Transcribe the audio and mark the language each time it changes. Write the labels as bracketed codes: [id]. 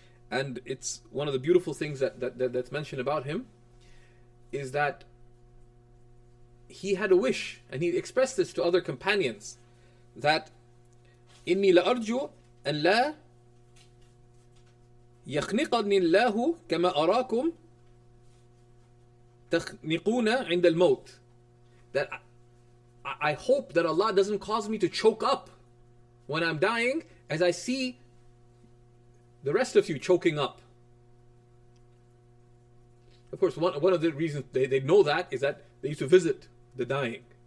[en] And it's one of the beautiful things that's mentioned about him is that he had a wish, and he expressed this to other companions, that [ar] إني لأرجو أن لا يخنقني الله كما أراكم تخنقون عند الموت. [en] That I hope that Allah doesn't cause me to choke up when I'm dying as I see the rest of you choking up. Of course, one of the reasons they know that is that they used to visit the dying.